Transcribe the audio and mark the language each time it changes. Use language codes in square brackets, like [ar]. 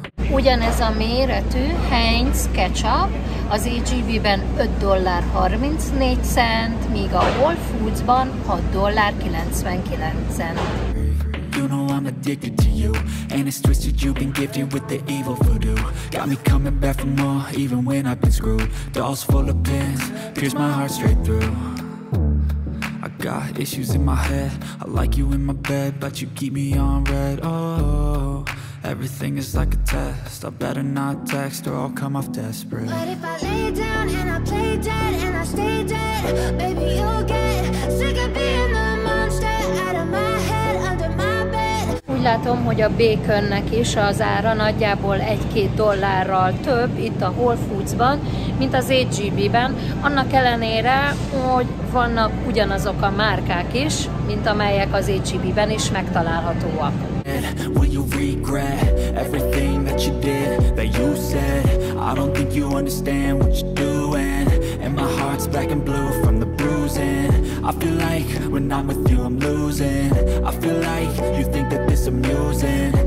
[hu] Ugyanez a méretű Heinz ketchup az HEB-ben $5.34, míg a Whole Foods-ban $6.99. [en] You know I'm addicted to you, and it's twisted you've been gifted with the evil voodoo. Got me coming back for more, even when I've been screwed. Dolls full of pins, pierce my heart straight through. I got issues in my head, I like you in my bed, but you keep me on red. Oh, everything is like a test, I better not text or I'll come off desperate. But if I lay down and I play dead and I stay dead, baby you'll get sick of being the monster out of my head, under my bed. [hu] Úgy látom, hogy a baconnek is az ára nagyjából $1-2 több itt a Whole Foods-ban, mint az HEB-ben, annak ellenére, hogy vannak ugyanazok a márkák is, mint amelyek az HEB-ben is megtalálhatóak. [en] Will you regret everything that you did, that you said? I don't think you understand what you're doing. And my heart's black and blue from the bruising. I feel like when I'm with you I'm losing. I feel like you think that this amusing.